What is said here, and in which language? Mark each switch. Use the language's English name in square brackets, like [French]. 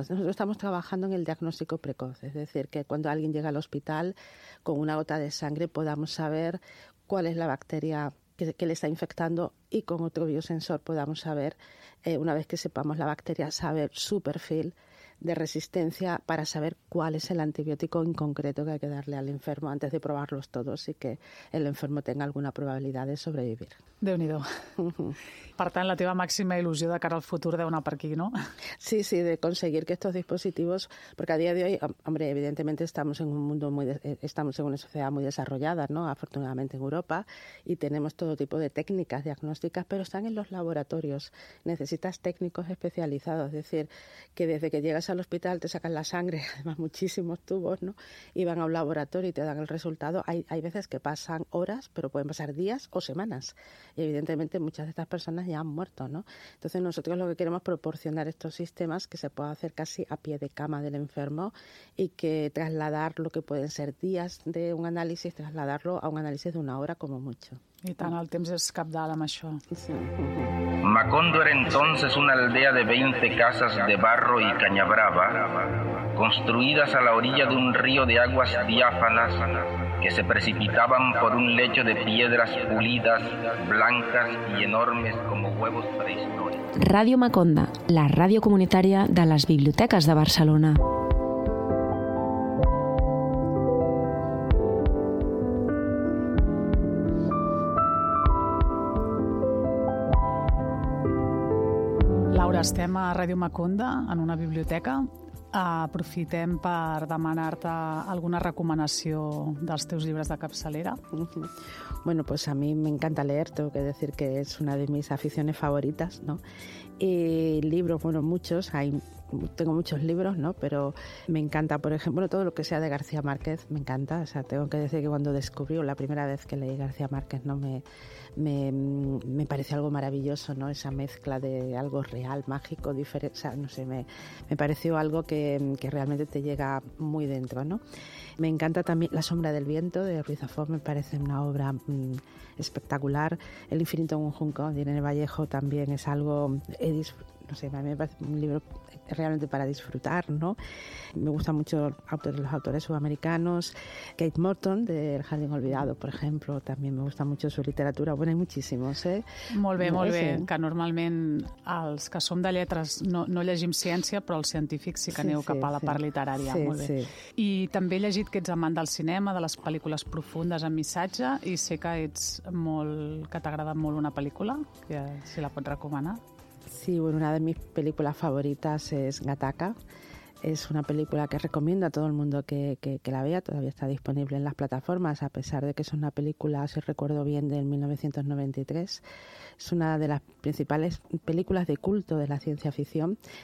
[Spanish] Entonces, nosotros estamos trabajando en el diagnóstico precoz, es decir, que cuando alguien llega al hospital con una gota de sangre podamos saber cuál es la bacteria que le está infectando y con otro biosensor podamos saber, una vez que sepamos la bacteria, saber su perfil de resistencia para saber cuál es el antibiótico en concreto que hay que darle al enfermo antes de probarlos todos y que el enfermo tenga alguna probabilidad de sobrevivir. [Catalan] Déu-n'hi-do. Per tant, la teva màxima il·lusió de cara al futur deu anar per aquí, no? [Spanish] Sí, sí, de conseguir que estos dispositivos, porque a día de hoy, hombre, evidentemente estamos en una sociedad muy desarrollada, ¿no? Afortunadamente en Europa, y tenemos todo tipo de técnicas diagnósticas, pero están en los laboratorios. Necesitas técnicos especializados, es decir, que desde que llegas al hospital te sacan la sangre, además muchísimos tubos, ¿no?, y van a un laboratorio y te dan el resultado. Hay veces que pasan horas, pero pueden pasar días o semanas. Y evidentemente muchas de estas personas ya han muerto, ¿no? Entonces nosotros lo que queremos es proporcionar estos sistemas que se pueda hacer casi a pie de cama del enfermo y que trasladar lo que pueden ser días de un análisis, trasladarlo a un análisis de una hora como mucho. [Catalan] I tant, el temps és cabdal amb això. [Spanish] Sí. Macondo era entonces una aldea de 20 casas de barro y caña brava, construidas a la orilla de un río de aguas diáfanas que se precipitaban por un lecho de piedras pulidas, blancas y enormes como huevos prehistóricos. [Catalan] Ràdio Maconda, la ràdio comunitària de les biblioteques de Barcelona. Laura, estem a Ràdio Maconda, en una biblioteca. Aprofitem per demanar-te alguna recomanació dels teus llibres de capçalera. [Spanish] Bueno, pues a mí me encanta leer, tengo que decir que es una de mis aficiones favoritas, ¿no? Y libros, bueno, muchos, tengo muchos libros, ¿no? Pero me encanta, por ejemplo, todo lo que sea de García Márquez, me encanta. O sea, tengo que decir que cuando descubrí, o la primera vez que leí García Márquez, ¿no? Me pareció algo maravilloso, ¿no? Esa mezcla de algo real, mágico, diferente, o sea, no sé, me pareció algo que realmente te llega muy dentro, ¿no? Me encanta también La sombra del viento, de Ruiz Zafón, me parece una obra espectacular. El infinito en un junco, de Irene Vallejo, también es algo, no sé, a mí me parece un libro realmente para disfrutar, ¿no? Me gustan mucho los autores sudamericanos. Kate Morton, de El jardín olvidado, por ejemplo, también me gusta mucho su literatura. Bueno, hay muchísimos, ¿eh? [Catalan] Molt bé, molt bé. Que normalment els que som de lletres no llegim ciència, però els científics sí que aneu cap a la part literària. Sí, molt bé. I també he llegit que ets amant del cinema, de les pel·lícules profundes amb missatge, i sé que ets molt, que t'agrada molt una pel·lícula, que si la pots recomanar. [Spanish] Sí, bueno, una de mis películas favoritas es Gattaca. Es una película que recomiendo a todo el mundo que la vea. Todavía está disponible en las plataformas, a pesar de que es una película, si recuerdo bien, del 1993. Es una de las principales películas de culto de la ciencia ficción.